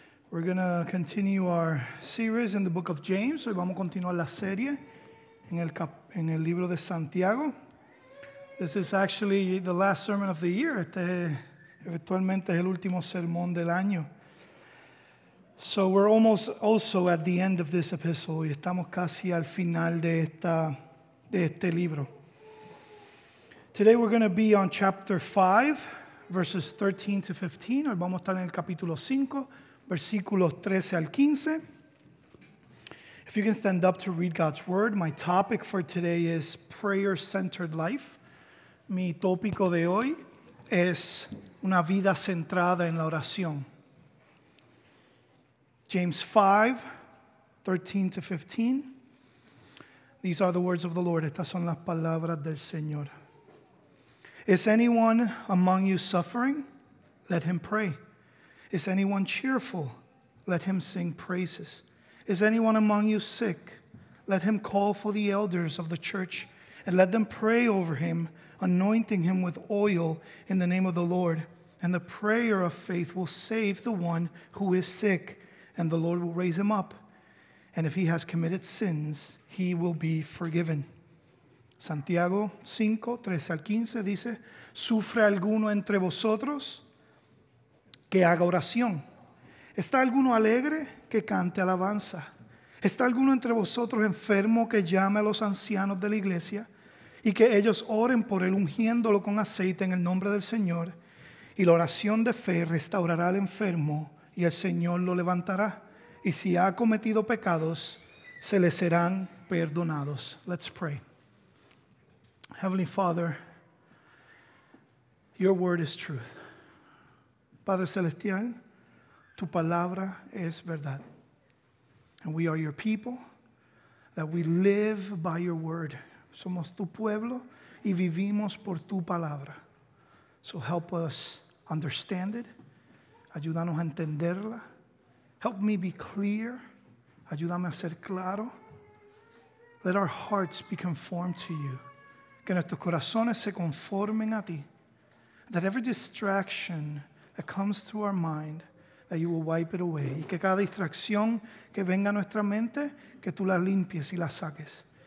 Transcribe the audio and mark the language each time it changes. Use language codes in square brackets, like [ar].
[en] We're going to continue our series in the book of James. [es] Hoy vamos a continuar la serie en el libro de Santiago. [en] This is actually the last sermon of the year. [es] Este eventualmente es el último sermón del año. [en] So we're almost also at the end of this epistle. [es] Y estamos casi al final de este libro. [en] Today we're going to be on chapter 5, verses 13 to 15. [es] Hoy vamos a estar en el capítulo 5, versículos 13 al 15. [en] If you can stand up to read God's word, my topic for today is prayer-centered life. [es] Mi tópico de hoy es una vida centrada en la oración. [en] James 5, 13 to 15. These are the words of the Lord. [es] Estas son las palabras del Señor. [en] Is anyone among you suffering? Let him pray. Is anyone cheerful? Let him sing praises. Is anyone among you sick? Let him call for the elders of the church and let them pray over him, anointing him with oil in the name of the Lord. And the prayer of faith will save the one who is sick, and the Lord will raise him up. And if he has committed sins, he will be forgiven. [es] Santiago 5, 13 al 15 dice, ¿sufre alguno entre vosotros? Que haga oración. ¿Está alguno alegre? Que cante alabanza. ¿Está alguno entre vosotros enfermo? Que llame a los ancianos de la iglesia y que ellos oren por él, ungiéndolo con aceite en el nombre del Señor. Y la oración de fe restaurará al enfermo y el Señor lo levantará. Y si ha cometido pecados, se le serán perdonados. [en] Let's pray. Heavenly Father, your word is truth. [es] Padre Celestial, tu palabra es verdad. [en] And we are your people, that we live by your word. [es] Somos tu pueblo y vivimos por tu palabra. [en] So help us understand it. [es] Ayúdanos a entenderla. [en] Help me be clear. [es] Ayúdame a ser claro. [en] Let our hearts be conformed to you. [es] Que nuestros corazones se conformen a ti. [en] That every distraction that comes through our mind, that you will wipe it away. [es] Y que cada distracción que venga a nuestra mente, que tú la limpies y la saques.